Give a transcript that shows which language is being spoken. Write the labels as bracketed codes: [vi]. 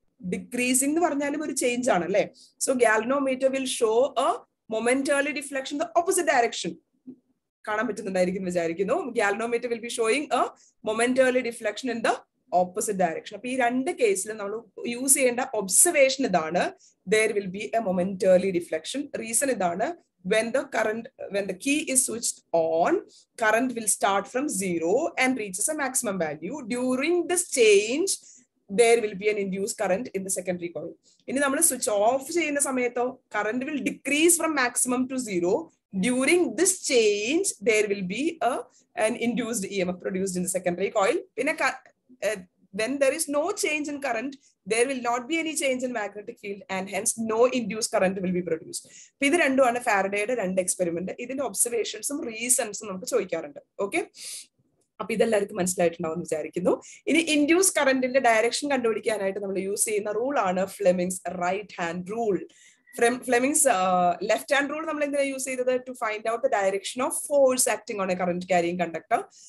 [ml] Decreasing എന്ന് പറഞ്ഞാലും ഒരു ചേഞ്ച് ആണ് അല്ലെ. [en] So galvanometer will show a momentarily deflection the opposite direction. [ml] കാണാൻ പറ്റുന്നുണ്ടായിരിക്കും വിചാരിക്കുന്നു, [en] Galvanometer will be showing a momentarily deflection in the opposite direction. [ml] അപ്പൊ ഈ രണ്ട് കേസിലും നമ്മൾ യൂസ് ചെയ്യേണ്ട ഒബ്സർവേഷൻ ഇതാണ്, [en] There will be a momentarily deflection. [ml] Reason ഇതാണ്, [en] when the key is switched on, current will start from zero and reaches a maximum value. During this change, there will be an induced current in the secondary coil. [ml] ഇനി നമ്മൾ switch off ചെയ്യുന്ന സമയത്തോ current [en] Will decrease from maximum to zero. During this change, there will be an induced EMF produced in the secondary coil. When there is no change in current, there will not be any change in magnetic field and hence no induced current will be produced. [ml] അപ്പൊ ഇത് രണ്ടുമാണ് ഫാരഡേയുടെ രണ്ട് experiment. ഇതിന്റെ ഒബ്സർവേഷൻസും റീസൺസും നമുക്ക് ചോദിക്കാറുണ്ട്. Okay, അപ്പൊ ഇതെല്ലാവർക്കും മനസ്സിലായിട്ടുണ്ടാവും എന്ന് വിചാരിക്കുന്നു. ഇനി ഇൻഡ്യൂസ് കറന്റിന്റെ ഡയറക്ഷൻ കണ്ടുപിടിക്കാനായിട്ട് നമ്മൾ യൂസ് ചെയ്യുന്ന റൂൾ ആണ് ഫ്ലെമിംഗ്സ് right hand rule. ഫ്ലെമിംഗ്സ് left hand rule നമ്മൾ എന്തിനാണ് യൂസ് ചെയ്തത്? [en] To find out the direction of force acting on a current carrying conductor.